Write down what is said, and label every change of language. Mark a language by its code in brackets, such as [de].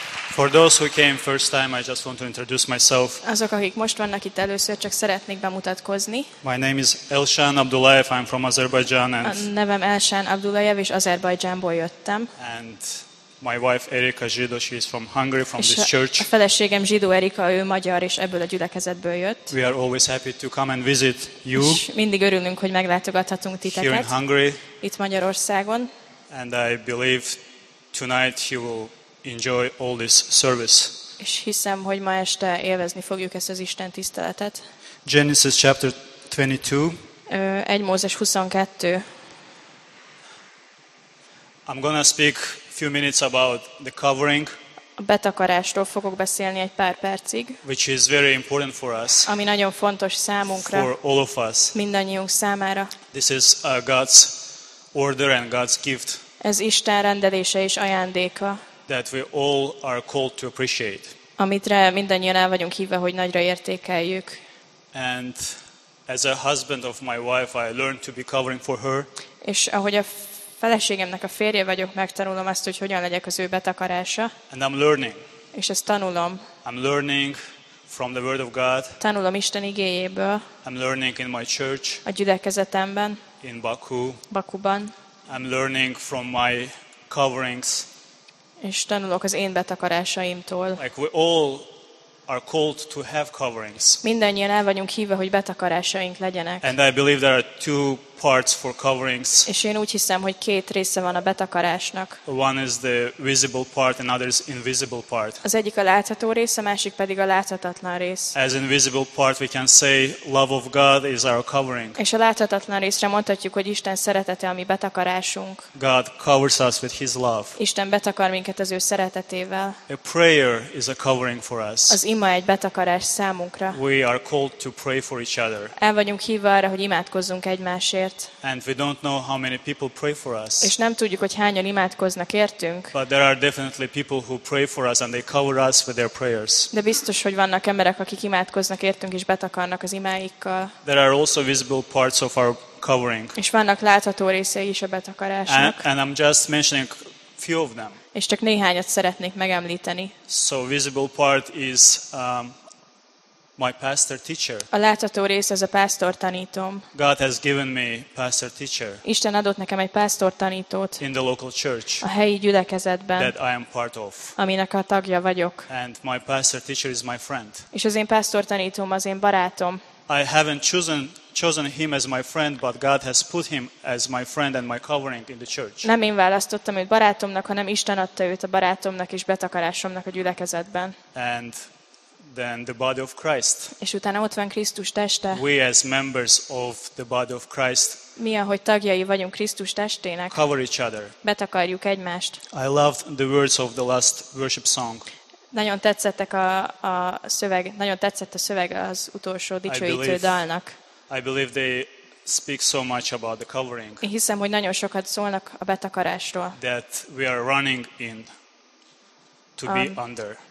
[en] For those who came first time, I just want to introduce myself. [hu] Azok, akik most vannak itt először, csak szeretnék bemutatkozni. [en] My name is Elshan Abdullayev. I'm from Azerbaijan. [hu] A nevem Elshan Abdullayev, és Azerbajdzsánból jöttem. [en] And my wife Erika Zsidó, she is from Hungary, from [hu] és [en] this church. [hu] A feleségem Zsidó Erika, ő magyar, és ebből a gyülekezetből jött. [en] We are always happy to come and visit you. [hu] És mindig örülünk, hogy meglátogathatunk titeket. [en] Here in Hungary. [hu] Itt Magyarországon. [en] And I believe tonight you will enjoy all this service. [hu] És hiszem, hogy ma este élvezni fogjuk ezt az Isten tiszteletet. [en] Genesis chapter 22. [hu] 1 Mózes 22. [en] I'm gonna speak few minutes about the covering. [hu] A betakarásról fogok beszélni egy pár percig. [en] Which is very important for us. [hu] Ami nagyon fontos számunkra. [en] For all of us. [hu] Mindannyiunk számára. [en] This is God's order and God's gift. [hu] Ez Isten rendelése és ajándéka. [en] That we all are called to appreciate. [hu] Amit rá mindannyian el vagyunk hívva, hogy nagyra értékeljük. [en] And as a husband of my wife, I learned to be covering for her. [hu] És ahogy a feleségemnek a férje vagyok, megtanulom azt, hogy hogyan legyek az ő betakarása. [en] And I'm learning. [hu] És ezt tanulom. [en] I'm learning from the word of God. [hu] Tanulom Isten igéjéből. [en] I'm learning in my church. [hu] A gyülekezetemben. [en] In Baku. [hu] Bakuban. [en] I'm learning from my coverings. [hu] És tanulok az én betakarásaimtól. [en] Like we all are called to have coverings. [hu] Mindannyian el vagyunk hívva, hogy betakarásaink legyenek. [en] And I believe there are two parts for coverings. [hu] És én úgy hiszem, hogy két része van a betakarásnak. [en] One is the visible part, another is invisible part. [hu] Az egyik a látható rész, a másik pedig a láthatatlan rész. [en] As invisible part, we can say love of God is our covering. [hu] És a láthatatlan részre mondhatjuk, hogy Isten szeretete a mi betakarásunk. [en] God covers us with His love. [hu] Isten betakar minket az ő szeretetével. [en] A prayer is a covering for us. [hu] Az ima egy betakarás számunkra. [en] We are called to pray for each other. [hu] El vagyunk hívva arra, hogy imádkozzunk egymásért. [en] And we don't know how many people pray for us. [hu] És nem tudjuk, hogy hányan imádkoznak értünk. [en] But there are definitely people who pray for us and they cover us with their prayers. [hu] De biztos, hogy vannak emberek, akik imádkoznak értünk és betakarnak az imáikkal. [en] There are also visible parts of our covering. [hu] És vannak látható részei is a betakarásnak. [en] And I'm just mentioning few of them. [hu] És csak néhányat szeretnék megemlíteni. [en] So visible part is my pastor teacher. [hu] A látható rész az a pásztor tanítom. [en] God has given me pastor teacher. [hu] Isten adott nekem egy pásztor tanítót. [en] In the local church. [hu] A helyi gyülekezetben. [en] That I am part of. [hu] Aminek a tagja vagyok. [en] And my pastor teacher is my friend. [hu] És az én pásztor tanítom az én barátom. [en] I haven't chosen him as my friend, but God has put him as my friend and my covering in the church. [hu] Nem én választottam őt barátomnak, hanem Isten adta őt a barátomnak és betakarásomnak a gyülekezetben. [en] And then the body of Christ. [hu] És utána ott van Krisztus teste. [en] We as members of the body of Christ. [hu] Mi, ahogy tagjai vagyunk Krisztus testének. [en] Cover each other. [hu] Betakarjuk egymást. [en] I loved the words of the last worship song. [hu] Nagyon tetszettek a szöveg, nagyon tetszett a szöveg az utolsó dicsőítő dalnak. [en] I believe they speak so much about the covering. [hu] Én hiszem, hogy nagyon sokat szólnak a betakarásról. [en] That we are running in to be under.